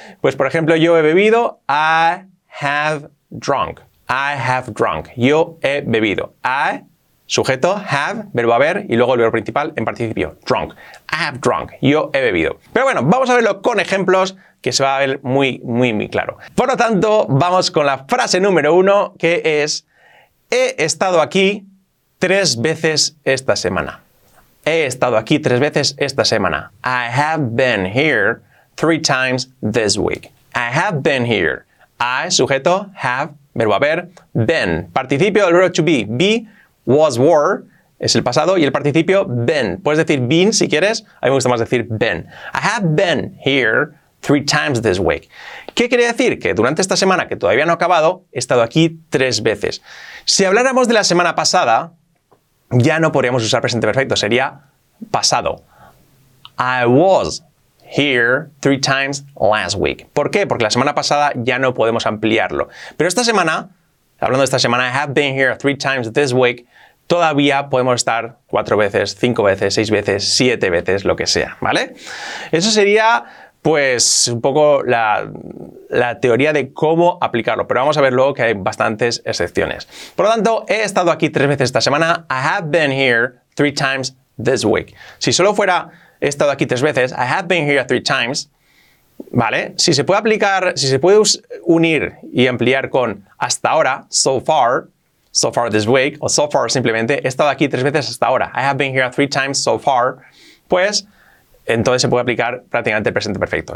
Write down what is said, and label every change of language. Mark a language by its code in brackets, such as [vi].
[es] Pues, por ejemplo, yo he bebido, I have drunk, yo he bebido, I, sujeto, have, verbo haber, y luego el verbo principal en participio, drunk, I have drunk, yo he bebido. Pero bueno, vamos a verlo con ejemplos, que se va a ver muy, muy, muy claro. Por lo tanto, vamos con la frase número uno, que es, he estado aquí 3 veces esta semana. He estado aquí 3 veces esta semana. [en] I have been here 3 times this week. I have been here. I, sujeto, have, verbo haber, been. [es] Participio del verbo to be. Be, was, were, es el pasado, y el participio, been. Puedes decir been si quieres. A mí me gusta más decir been. [en] I have been here 3 times this week. [es] ¿Qué quiere decir? Que durante esta semana, que todavía no ha acabado, he estado aquí 3 veces. Si habláramos de la semana pasada, ya no podríamos usar presente perfecto, sería pasado. [en] I was here 3 times last week. [es] ¿Por qué? Porque la semana pasada ya no podemos ampliarlo. Pero esta semana, hablando de esta semana, I have been here 3 times this week, todavía podemos estar 4 veces, 5 veces, 6 veces, 7 veces, lo que sea, ¿vale? Eso sería, pues, un poco la teoría de cómo aplicarlo. Pero vamos a ver luego que hay bastantes excepciones. Por lo tanto, he estado aquí 3 veces esta semana. [en] I have been here 3 times this week. [es] Si solo fuera he estado aquí 3 veces, I have been here 3 times, ¿vale? Si se puede aplicar, si se puede unir y ampliar con hasta ahora, so far this week, o so far simplemente, he estado aquí 3 veces hasta ahora. I have been here 3 times so far, pues entonces se puede aplicar prácticamente el presente perfecto.